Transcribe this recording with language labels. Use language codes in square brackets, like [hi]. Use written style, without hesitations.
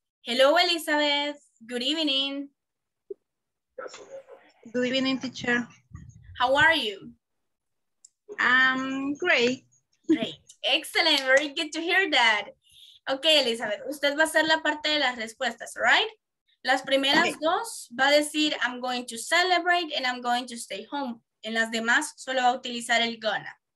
[en] Hello, Elizabeth. Good evening. Good evening, teacher. How are you? Great. Great. Excellent. Very good to hear that. [es] Okay, Elizabeth, usted va a hacer la parte de las respuestas, right? Las primeras dos va a decir, [en] I'm going to celebrate and I'm going to stay home. [es] En las demás, solo va a utilizar el gonna.